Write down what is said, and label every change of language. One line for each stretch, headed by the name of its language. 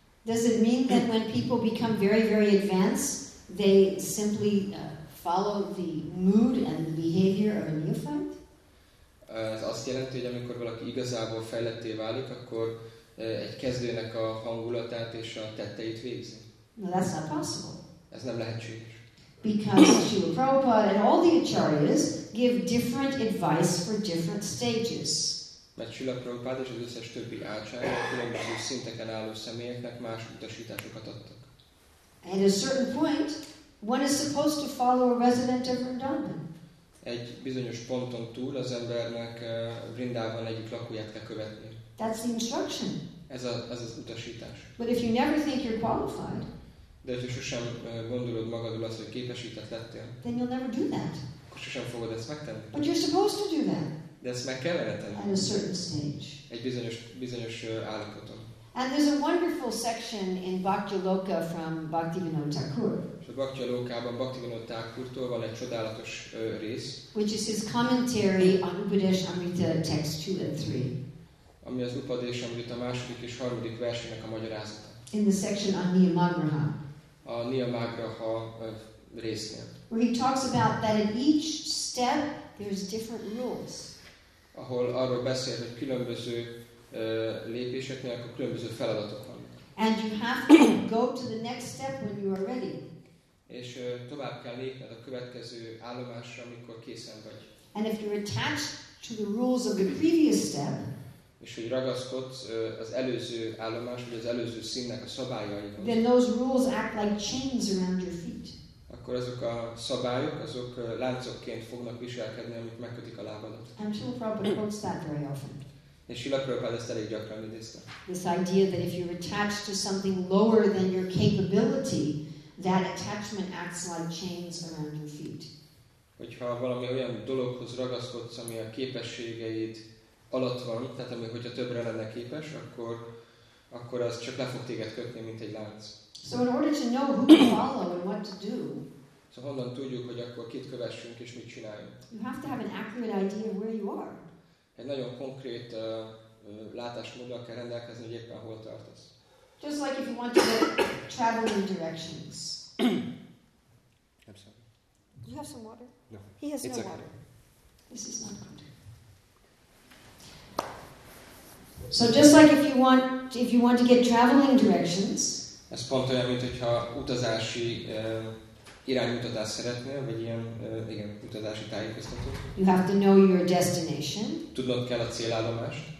English: Does it mean that when people become very, very advanced, they simply follow the mood and the behavior of a neophyte?
Hungarian: Ez azt jelenti, hogy amikor valaki igazából fejletté válik, akkor egy kezdőnek a hangulatát és a tetteit végzi.
English: No, that's not possible.
Hungarian: Ez nem lehetséges.
English: Because Srila Prabhupada and all the acharyas give different advice for different stages.
Hungarian: Mert Srila Prabhupada és az összes többi ácsárja különböző szinteken álló személyeknek más utasításokat adtak.
English: At a certain point, one is supposed to follow a resident of Vrindavan.
Hungarian: Egy bizonyos ponton túl az embernek Vrindavan egyik lakóját kell követni.
English: That's the instruction.
Hungarian: Ez az utasítás.
English: But if you never think you're qualified,
Hungarian: de ha sosem gondolod magadról azt, hogy képesített lettél,
English: then you'll never do that.
Hungarian: Akkor sosem fogod ezt megtenni.
English: But you're supposed to do that.
Hungarian: De ezt meg kellene tenni.
English: At a certain stage.
Hungarian: Egy bizonyos állapoton.
English: And there's a wonderful section in Bhaktyaloka from Bhaktivinoda Thakur.
Hungarian: És a Bhaktyalokában Bhaktivinoda Thakurtól van egy csodálatos rész.
English: Which is his commentary on Upadeshamrita text 2 and 3.
Hungarian: Ami az Upadeshamrita második és harmadik versének a magyarázata.
English: In the section on Niyamagraha.
Hungarian: A Niyamagraha résznél.
English: Where he talks about that at each step there's different rules.
Hungarian: Ahol arról beszél, hogy különböző lépéseknél akkor különböző feladatok vannak.
English: And you have to go to the next step when you are ready.
Hungarian: És tovább kell lépned a következő állomásra, amikor készen vagy.
English: And if you're attached to the rules of the previous step,
Hungarian: és hogy ragaszkodsz az előző állomás, vagy az előző színnek a szabályaihoz,
English: then those rules act like chains around your feet.
Hungarian: Akkor azok a szabályok, azok láncokként fognak viselkedni, amik megkötik a lábadat.
English: And Srila Prabhupada quotes that very often.
Hungarian: És Srila Prabhupada ezt elég gyakran idézte.
English: This idea that if you're attached to something lower than your capability, that attachment acts like chains around your feet.
Hungarian: Hogyha valami olyan dologhoz ragaszkodsz, ami a képességeid alatt van, tehát ami, hogyha többre lenne képes, akkor az csak le fog téged kötni, mint egy lánc.
English: So in order to know who to follow and what to do,
Hungarian: szóval honnan tudjuk, hogy akkor kit kövessünk és mit csináljunk?
English: You have to have an accurate idea of where you are.
Hungarian: Egy nagyon konkrét látásmóddal kell rendelkezni, hogy éppen hol tartasz.
English: Just like if you want to travel in directions. I'm sorry. You have some water? No. He has it's no okay. water. This is not good. So just like if you want to get traveling directions.
Hungarian: Ez pont olyan, mint hogyha utazási iránymutatást szeretnél, vagy ilyen, igen, utazási tájékoztató.
English: You have to know your destination.
Hungarian: Tudnod kell a célállomást.